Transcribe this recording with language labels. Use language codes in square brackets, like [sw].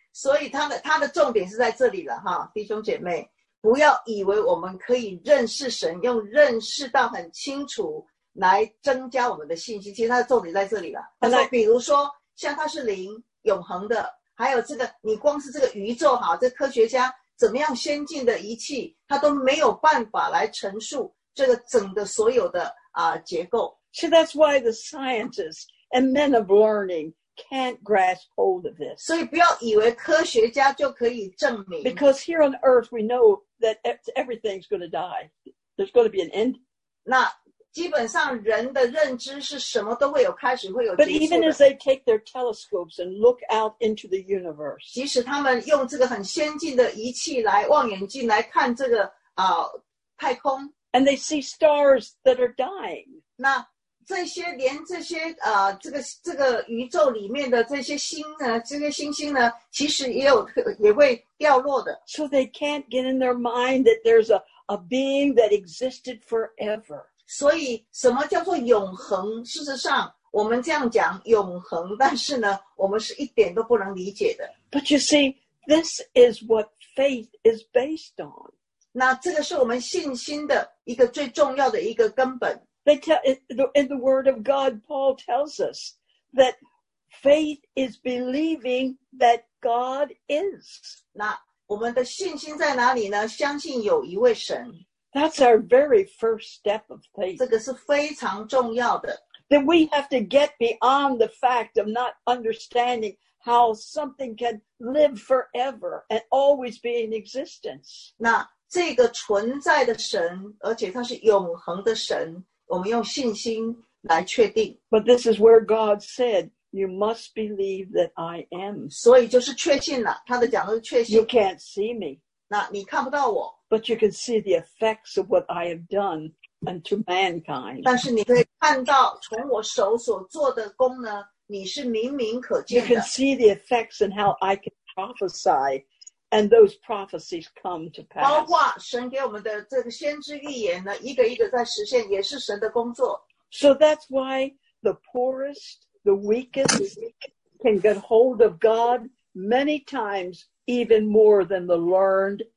[zh] 所以他的重点是在这里了哈，弟兄姐妹，不要以为我们可以认识神，用认识到很清楚来增加我们的信心。其实他的重点在这里了。他说，比如说像他是灵永恒的，还有这个你光是这个宇宙哈，这科学家。怎么样先进的仪器它都没有办法来陈述这个整个所有的、结构。 [en] So that's why the scientists and men of learning can't grasp hold of this. [zh] 所以不要以为科学家就可以证明。 [en] Because here on earth we know that everything's going to die. There's going to be an end. [zh] 那基本上人的认知是什么都会有开始会有结束的。 [en] But even as they take their telescopes and look out into the universe, [zh] 即使他们用这个很先进的仪器来望远镜来看这个、太空 [en] ，and they see stars that are dying. [zh] 那这些连这些、这个宇宙里面的这些星呢，这些星星呢，其实也会掉落的。 [en] So they can't get in their mind that there's a being that existed forever. [zh] 所以什么叫做永恒事实上我们这样讲永恒但是呢我们是一点都不能理解的。 [en] But you see, this is what faith is based on. [zh] 那这个是我们信心的一个最重要的一个根本。 [en] They tell, in the word of God, Paul tells us that faith is believing that God is. [zh] 那我们的信心在哪里呢相信有一位神。 [en] That's our very first step of faith. [zh] 这个是非常重要的。 [en] Then we have to get beyond the fact of not understanding how something can live forever and always be in existence. [zh] 那这个存在的神，而且它是永恒的神，我们用信心来确定。 [en] But this is where God said, you must believe that I am. [zh] 所以就是确信了，他的讲的是确信。 [en] You can't see me. [zh] 那你看不到我。 [en] But you can see the effects of what I have done unto mankind. [zh] 但是你可以看到从我手所做的功呢，你是明明可见的。 [en] You can see the effects and how I can prophesy, and those prophecies come to pass. [zh] 包括神给我们的这个先知预言呢，一个一个在实现，也是神的工作。 [en] So that's why the poorest, the weakest, can get hold of God many times, even more than the learned.